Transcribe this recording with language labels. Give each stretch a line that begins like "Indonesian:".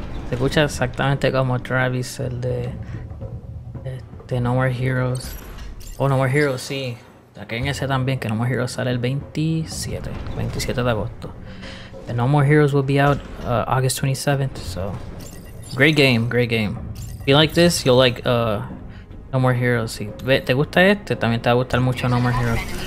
Spanish: Se escucha exactamente como Travis el de No More Heroes. Oh, No More Heroes, sí. Aquí en ese también que No More Heroes sale el 27 de agosto.
English: The No More Heroes will be out August 27th, so great game. If you like this, you'll like No More Heroes.
Spanish: Si te gusta este, también te va a gustar mucho No More Heroes.